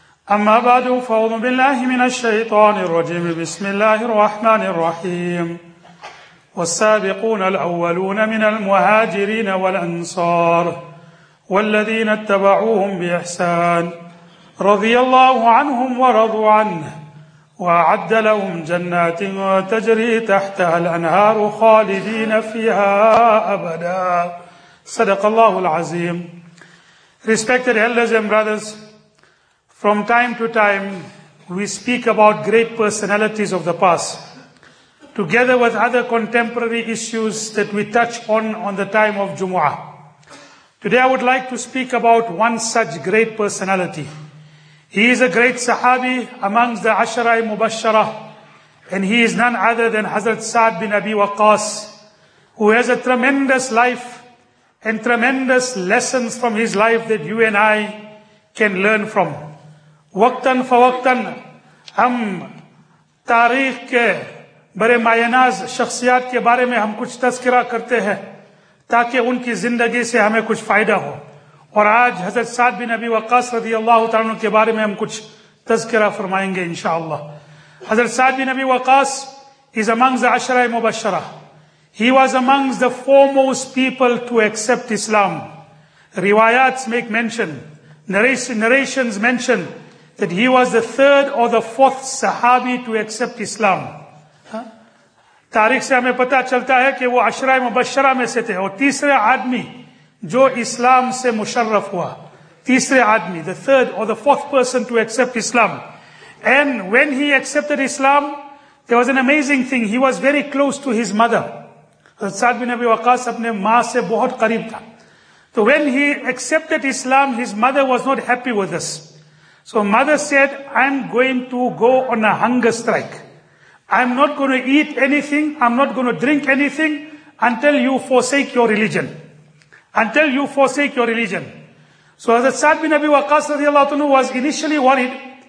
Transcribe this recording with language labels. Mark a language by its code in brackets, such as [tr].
[ar] أما بعد فأعوذ بالله من الشيطان الرجيم بسم الله الرحمن الرحيم والسابقون الأولون من المهاجرين والأنصار والذين اتبعوهم بإحسان رضي الله عنهم ورضوا عنه وأعد لهم جنات تجري تحتها الأنهار خالدين فيها أبدا صدق الله العظيم. [en] Respected elders and brothers, from time to time we speak about great personalities of the past. Together with other contemporary issues that we touch on the time of Jumu'ah. Today I would like to speak about one such great personality. He is a great Sahabi amongst the Ashara-i Mubashara, and he is none other than Hazrat Sa'd bin Abi Waqqas, who has a tremendous life and tremendous lessons from his life that you and I can learn from. [ur] Waqtan fa waqtan hum tariq ke bare mayanaz shakhsiyat ke bare mein hum kuch tazkira karte hain تاکہ ان کی زندگی سے ہمیں کچھ فائدہ ہو. اور آج حضرت سعد بن ابی وقاص رضی اللہ تعالیٰ عنہ کے بارے میں ہم کچھ تذکرہ فرمائیں گے انشاءاللہ. [en] حضرت Saad bin Abi Waqqas is amongst the عشرہ مبشرہ. He was amongst the foremost people to accept Islam. Riwayats make mention, narrations mention that he was the third or the fourth Sahabi to accept Islam. [ur] تاریخ سے ہمیں پتہ چلتا ہے کہ وہ عشرہ مبشرہ میں سے تھے اور تیسرے آدمی جو اسلام سے مشرف ہوا. تیسرے آدمی, [en] the third or the fourth person to accept Islam. And when he accepted Islam, there was an amazing thing. He was very close to his mother. [ur] حضرت سعد بن ابی وقاص اپنے ماں سے بہت قریب تھا. [en] So when he accepted Islam, his mother was not happy with this. So mother said, I'm going to go on a hunger strike. I'm not going to eat anything, I'm not going to drink anything until you forsake your religion. Until you forsake your religion. So Hazrat Sa'd bin Abi Waqqas radiallahu anhu was initially worried.